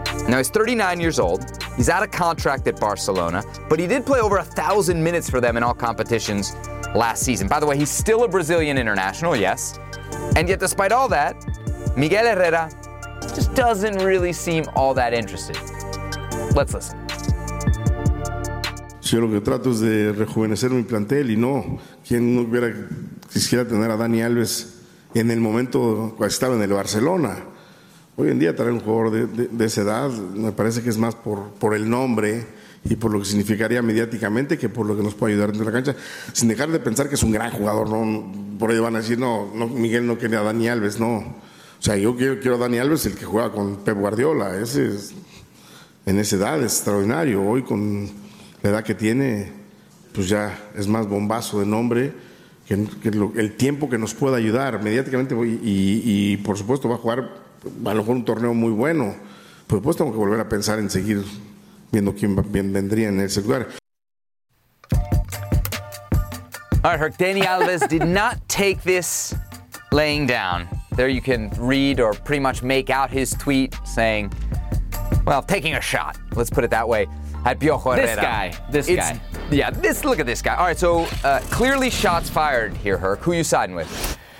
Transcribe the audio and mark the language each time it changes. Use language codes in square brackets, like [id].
[en] Now, he's 39 years old. He's out of contract at Barcelona, but he did play over 1,000 minutes for them in all competitions last season. By the way, he's still a Brazilian international, yes. And yet, despite all that, Miguel Herrera just doesn't really seem all that interested. Let's listen. [es] Yo lo que trato es de rejuvenecer mi plantel y no, quien no hubiera quisiera tener a Dani Alves en el momento cuando estaba en el Barcelona. Hoy en día traer un jugador de esa edad me parece que es más por el nombre y por lo que significaría mediáticamente que por lo que nos puede ayudar dentro de la cancha, sin dejar de pensar que es un gran jugador, ¿no? Por ahí van a decir, no, Miguel no quería a Dani Alves, no. O sea, yo quiero a Dani Alves, el que juega con Pep Guardiola, ese es, en esa edad es extraordinario, hoy con la edad que tiene, pues ya es más bombazo de nombre que el tiempo que nos pueda ayudar mediáticamente y por supuesto va a jugar a lo mejor un torneo muy bueno. Por supuesto tengo que volver a pensar en seguir viendo quién vendría en ese lugar. [en] All right, Herc, Dani Alves did not take this laying down. There you can read or pretty much make out his tweet saying, well, taking a shot, let's put it that way. At Piojo Herrera. This guy. Yeah, this. Look at this guy. All right, so clearly shots fired here, Herc. Who are you siding with?